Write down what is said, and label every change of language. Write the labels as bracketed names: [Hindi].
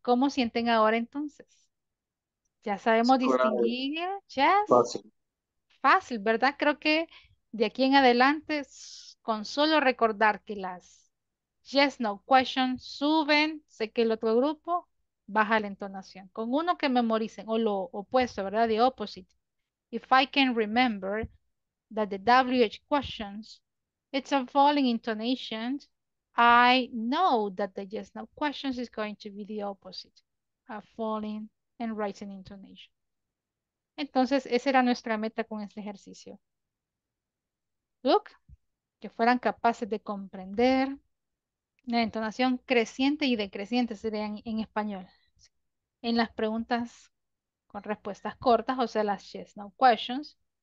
[Spanish] ¿Cómo sienten ahora entonces? Ya sabemos distinguir. [English] Yes. [Spanish] Fácil. Fácil, ¿verdad? Creo que de aquí en adelante, con solo recordar que las yes, no questions suben, sé que el otro grupo baja la entonación. Con uno que memoricen, o lo opuesto, ¿verdad? [English] The opposite. If I can remember that the WH questions, it's a falling intonation, I know that the yes, no questions is going to be the opposite. A falling and rising intonation. [Spanish] Entonces, esa era nuestra meta con este ejercicio. [English] Look, [Spanish] que fueran capaces de comprender la entonación creciente y decreciente sería en español. En las preguntas con respuestas cortas, o sea, las yes, no questions.